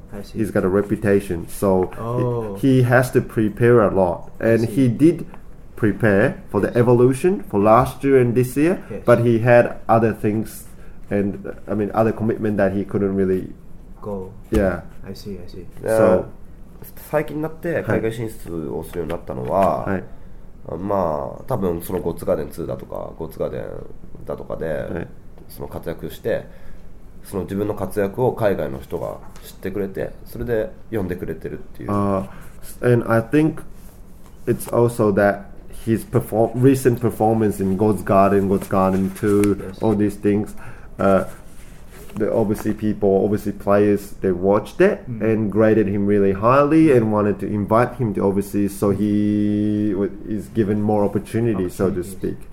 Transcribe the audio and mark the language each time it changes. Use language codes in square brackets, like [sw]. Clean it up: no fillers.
[en] I see. He's got a reputation, so、 oh. he has to prepare a lot, and he did prepare for the evolution for last year and this year、 yes. but he had other things and I mean other commitment that he couldn't really go. Yeah, I see. So [ja] 最近になって海外進出をするようになったのは、はい、まあ多分そのゴッツガーデン2だとかゴッツガーデンだとかで、はい、その活躍してその自分の活躍を海外の人が知ってくれてそれで呼んでくれてるっていう。 [en] And I think it's also that his recent performance in God's Garden, God's Garden 2, all these things、the obviously people, obviously players, they watched it、 mm. and graded him really highly and wanted to invite him to overseas, so he is given more opportunity, so to speak.